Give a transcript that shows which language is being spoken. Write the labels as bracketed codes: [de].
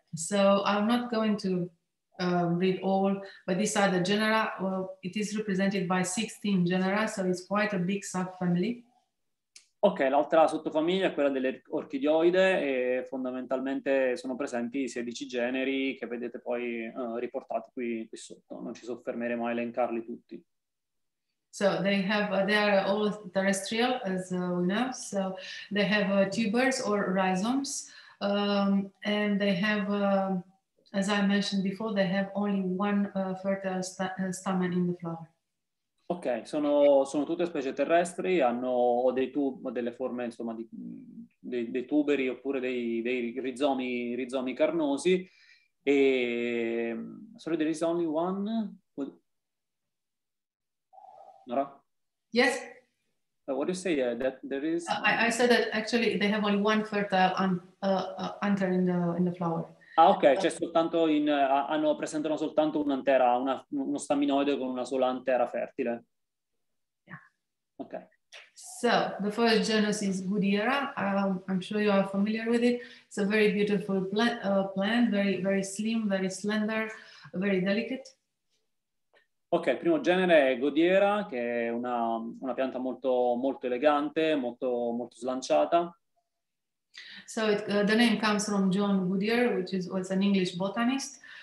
[en] So I'm not going to read all, but these are the genera. Well, it is represented by 16 genera, so it's quite a big subfamily. [it] Ok, l'altra sottofamiglia è quella delle orchidioide, e fondamentalmente sono presenti 16 generi che vedete poi riportati qui sotto. Non ci soffermeremo a elencarli tutti. [en] So they are all terrestrial, as we know. So they have tubers or rhizomes. And they have, as I mentioned before, they have only one fertile stamen in the flower. [it] Ok, sono tutte specie terrestri, hanno delle forme, insomma, dei tuberi oppure dei rizomi carnosi. [en] E sorry, there is only one. Nora? Yes. What do you say? That there is. I said that actually they have only one fertile anther in the flower. Ah, okay. [it] Cioè soltanto presentano soltanto un'antera, uno staminoide con una sola antera fertile. [en] Yeah. Okay. So the first genus is Goodyera. I'm sure you are familiar with it. It's a very beautiful plant, very very slim, very slender, very delicate. [it] Ok, il primo genere è Goodyera, che è una pianta molto molto elegante, molto molto slanciata. [en] So the name comes from John Goodyear, which was an English botanist.